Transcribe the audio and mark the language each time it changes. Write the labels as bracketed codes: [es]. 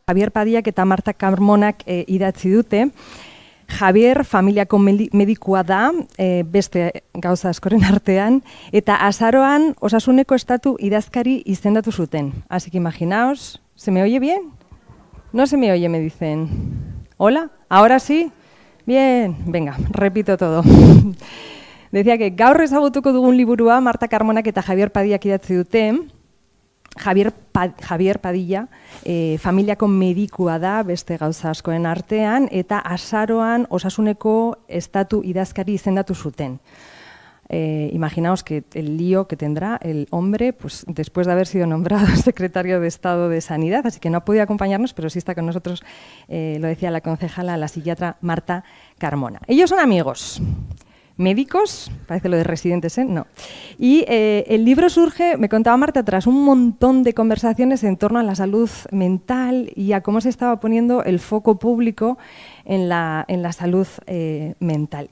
[eu] Javier Padilla eta Marta Carmonak idatzi dute. Javier familiako medikua da, beste gauza askoren artean, eta azaroan osasuneko estatu idazkari izendatu zuten. [es] Así que imaginaos, ¿se me oye bien? No se me oye, me dicen. ¿Hola? ¿Ahora sí? Bien, venga, repito todo. Decía que [eu] gaur ezagutuko dugun liburua Marta Carmonak eta Javier Padillak idatzi dute. Javier Padilla, familiako medikua da, beste gauza askoen artean, eta azaroan osasuneko estatu idazkari izendatu zuten. [es] Imaginaos que el lío que tendrá el hombre, pues después de haber sido nombrado secretario de Estado de Sanidad, así que no ha podido acompañarnos, pero sí está con nosotros, lo decía la concejala, la psiquiatra Marta Carmona. Ellos son amigos. Médicos, parece lo de residentes, ¿eh? No. Y el libro surge, me contaba Marta, tras un montón de conversaciones en torno a la salud mental y a cómo se estaba poniendo el foco público en la salud mental.